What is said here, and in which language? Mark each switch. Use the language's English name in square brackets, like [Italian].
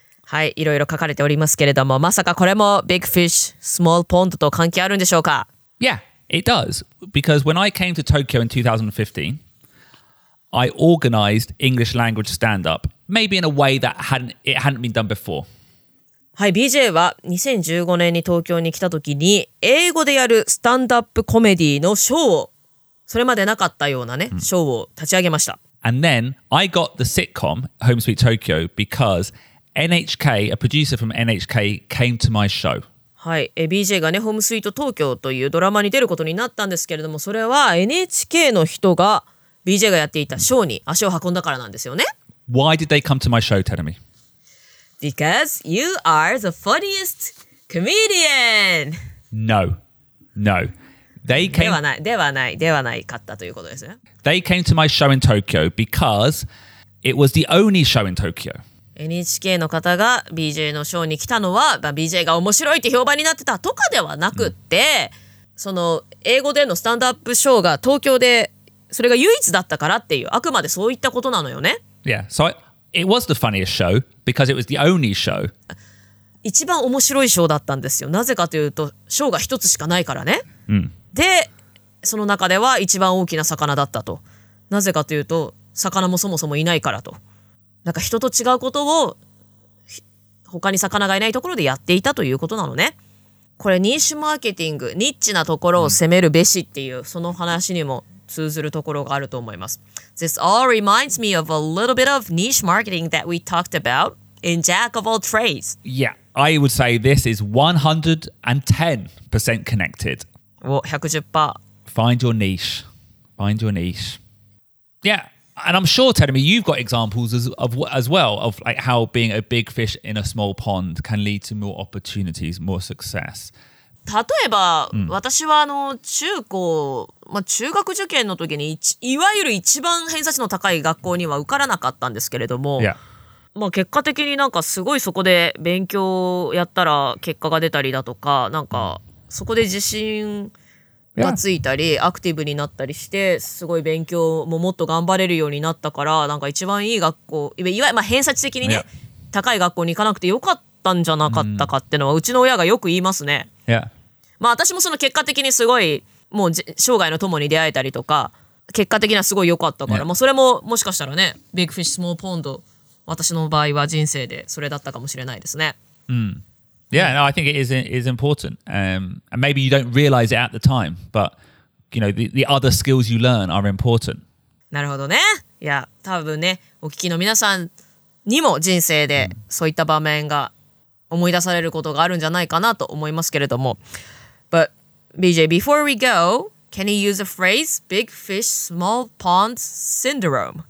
[Japanese] はい、いろいろ書かれておりますけれども、まさかこれも Big Fish, Small Pond と関係あるんでしょうか? [English] Yeah. It does, because when I came to Tokyo in 2015, I organized English language stand-up, maybe in a way that hadn't been done before. [Japanese] はい、BJ は2015年に東京に来た時に、英語でやるスタンドアップコメディのショーを、それまでなかったようなね、ショーを立ち上げました。 [English] And then I got the sitcom, Home Sweet Tokyo, because NHK, a producer from NHK, came to my show. [Japanese] はい、BJ がね、ホームスイート東京というドラマに出ることになったんですけれども、それは NHK の人が BJ がやっていたショーに足を運んだからなんですよね。 [English] Why did they come to my show, Tanami? Because you are the funniest comedian! No. No. They came... [Japanese] ではない、ではない、ではないかったということですね。 [English] They came to my show in Tokyo because it was the only show in Tokyo. [Japanese] NHK の方が BJ のショーに来たのは、まあ、BJ が面白いって評判になってたとかではなくって、うん、その英語でのスタンドアップショーが東京でそれが唯一だったからっていう、あくまでそういったことなのよね。 [English] Yeah, so it was the funniest show because it was the only show. [Japanese] 一番面白いショーだったんですよ。なぜかというとショーが一つしかないからね、うん、で、その中では一番大きな魚だったと。なぜかというと魚もそもそもいないからと。なんか人と違うことを他に魚がいないところでやっていたということなのね。これニッシュマーケティング、ニッチなところを攻めるべしっていう、うん、その話にも通ずるところがあると思います。 [English] This all reminds me of a little bit of niche marketing that we talked about in Jack of All Trades. Yeah, I would say this is 110% connected. 110%. Find your niche. Find your niche. Yeah. And I'm sure, Tanami, you've got examples as well of like how being a big fish in a small pond can lead to more opportunities, more success. [Japanese] 例えば、私は中高、中学受験の時にいわゆる一番偏差値の高い学校には受からなかったんですけれども、結果的になんかすごいそこで勉強やったら結果が出たりだとか、なんかそこで自信…がついたり、アクティブになったりして、すごい勉強ももっと頑張れるようになったから、なんか一番いい学校、いわゆる偏差値的にね、高い学校に行かなくてよかったんじゃなかったかってのは、うちの親がよく言いますね。私もその結果的にすごい、もう生涯の友に出会えたりとか、結果的にはすごい良かったから、それももしかしたらね、ビッグフィッシュスモーポンド、私の場合は人生でそれだったかもしれないですね。 [English] Yeah, no, I think it is important. And maybe you don't realize it at the time, but you know, the other skills you learn are important. [Japanese] なるほどね。いや、多分ね、お聞きの皆さんにも人生でそういった場面が思い出されることがあるんじゃないかなと思いますけれども。 [English] But BJ, before we go, can you use a phrase, big fish, small pond syndrome?